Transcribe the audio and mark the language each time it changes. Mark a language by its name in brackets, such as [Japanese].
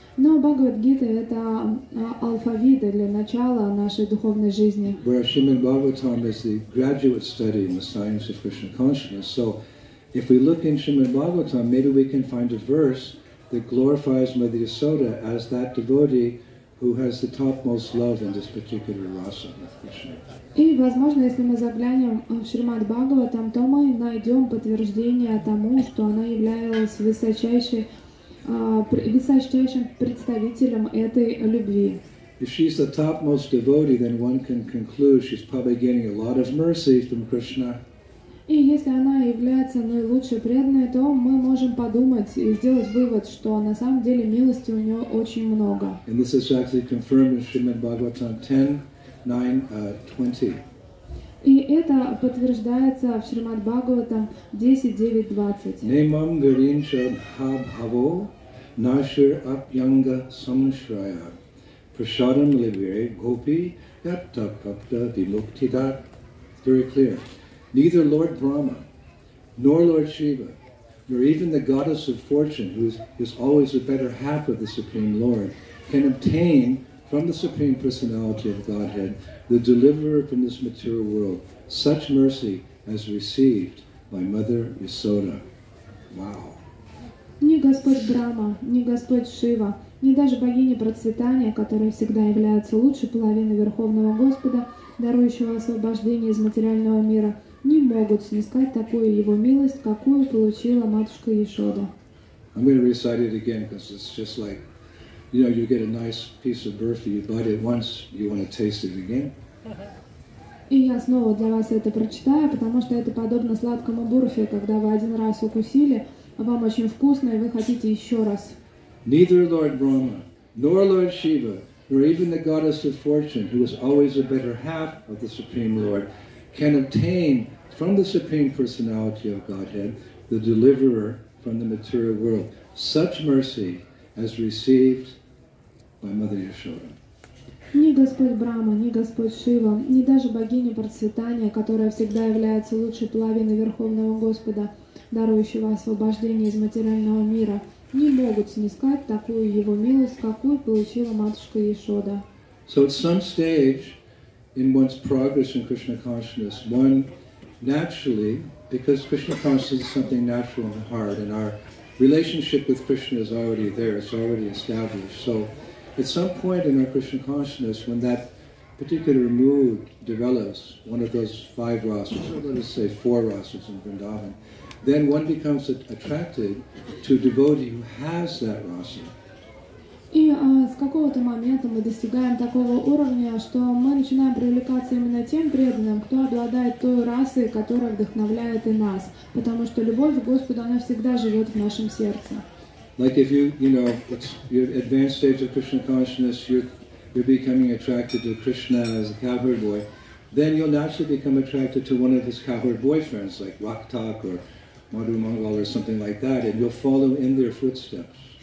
[Russian] Но Бхагавад Гита — это алфавит для начала нашей духовной жизни. [English] Where Shrimad Bhagavatam is the graduate study in the science of Krishna consciousness. So, if we look in Shrimad Bhagavatam, maybe we can find a verse that glorifies Mother Yasoda as that devotee who has the topmost love in this particular rasa with Krishna. [Russian] И, возможно, если мы заглянем в Шримад Бхагаватам, то мы найдем подтверждение тому, что она являлась высочайшей высочайшим представителем этой любви. [English] If she's the topmost devotee, then one can conclude she's probably getting a lot of mercy from Krishna. [Russian] И если она является наилучшей преданной, то мы можем подумать и сделать вывод, что на самом деле милости у нее очень много. [English] And this is actually confirmed in Shrimad Bhagavatam 10:9-20. [Russian] И это подтверждается в Шримад Бхагаватам 10.9.20. [Sanskrit] Немам гаринча бхабхаво нашир апьянга самшрая прашадам ливире гопи япта капта вимуктида. [English] It's very clear. Neither Lord Brahma, nor Lord Shiva, nor even the goddess of fortune, who is always the better half of the Supreme Lord, can obtain from the Supreme Personality of Godhead, the deliverer from this material world, such mercy as received by Mother Yasoda. Wow. [Russian] Ни Господь Брама, ни Господь Шива, ни даже богиня процветания, которая всегда является лучшей половиной Верховного Господа, дарующего освобождение из материального мира, не могут снискать такую его милость, какую получила Матушка Яшода. [English] I'm going to recite it again, because it's just like, you know, you get a nice piece of birth, you bite it once, you want to taste it again. [Russian] И я снова для вас это прочитаю, потому что это подобно сладкому бурфе, когда вы один раз укусили, вам очень вкусно, и вы хотите еще раз. [English] Neither Lord Brahma, nor Lord Shiva, nor even the goddess of fortune, who is always the better half of the Supreme Lord, can obtain from the Supreme Personality of Godhead, the deliverer from the material world, such mercy as received by Mother Yashoda. [Russian] Ни Господь Брама, ни Господь Шива, ни даже богиня процветания, которая всегда является лучшей половиной Верховного Господа, дарующего освобождение из материального мира, не могут снискать такую его милость, какую получила Матушка Яшода. [English] So at some stage in one's progress in Krishna consciousness, one naturally, because Krishna consciousness is something natural in the heart, and our relationship with Krishna is already there, it's already established. So at some point in our Krishna consciousness, when that particular mood develops, one of those five rasas, or let us say four rasas in Vrindavan, then one becomes attracted to a devotee who has that rasa. [Russian] И с какого-то момента мы достигаем такого уровня, что мы начинаем привлекаться именно тем преданным, кто обладает той расой, которая вдохновляет и нас. Потому что любовь к Господу, она всегда живет в нашем сердце. [English] Like if you, you know, it's your advanced stage of Krishna consciousness, you're becoming attracted to Krishna as a cowherd boy, then you'll naturally become attracted to one of his cowherd boyfriends, like Raktak or Madhu Mangal or something like that, and you'll follow in their footsteps.